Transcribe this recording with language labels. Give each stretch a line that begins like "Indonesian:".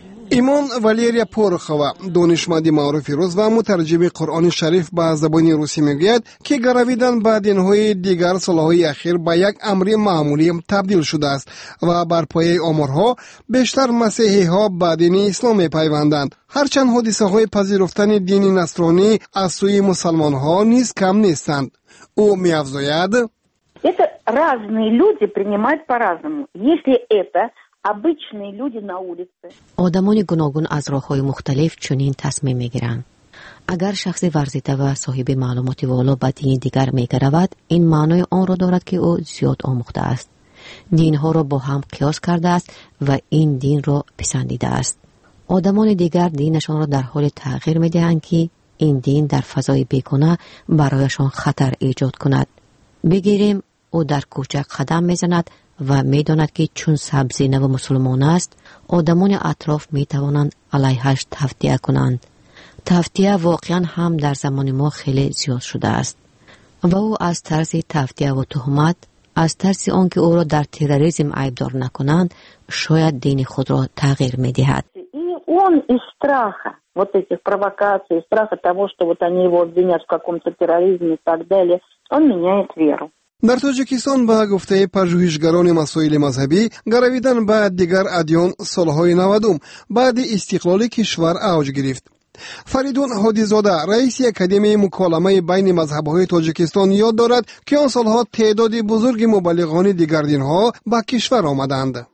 Persian: ایمان والیریا پورخوا، دانشمند معروف روس و مترجم قرآن شریف به زبان روسی، میگوید که گرویدن به دینهای دیگر سالهای اخیر به یک امر معمولی تبدیل شده است و بر پایه آمارها بیشتر مسیحی ها به دین اسلام میپیوندند، هرچند حادثه های پذیرفتن دین نصرانی از سوی مسلمان ها نیز کم نیستند. او میافزاید:
Russian: Это разные люди принимают по-разному. Если это обычные люди на улице.
Tajik: Одамони гуногун аз роҳҳои мухталиф чунин тасмим мегиранд. Агар шахси варзита ва соҳиби маълумоти воло ба дини дигар мегаравад, ин маънои онро дорад ки ӯ зиёд омӯхтааст. Динҳоро бо ҳам қиёс кардааст ва ин динро писандидааст. Одамони дигар динашонро дар ҳоли тағйир медиҳанд ки ин дин дар фазои бекуна барояшон хатар эҷод кунад. Бигирем, ӯ дар кӯча қадам мезанад ва медонад ки чун сабзи нав мусулмон аст, одамони атроф метавонанд алайҳаш тавтия кунанд. Тавтия воқеан ҳам дар замони мо хеле зиёд шудааст. Ва ӯ аз тарзи тавтия ва туҳмат, аз тарси он ки ӯро дар терроризм айбдор накунанд, шояд дини худро тағйир медиҳад.
Russian: Он из страха вот этих провокаций, страха того, что вот они его обвинят в каком-то терроризме и так далее, он меняет веру.
Tajik: Дар Тоҷикистон ба гуфтаи пажӯҳишгарони масоили мазҳабӣ, гаравидан ба дигар адён солҳои 90-ум баъди истиқлоли кишвар авҷ гирифт. Фаридун Ҳодизода, раиси Академияи муколамаи байни мазҳабҳои Тоҷикистон, ёд дорад, ки он солҳо теъдоди бузурги мубаллиғони дигар динҳо ба кишвар омаданд.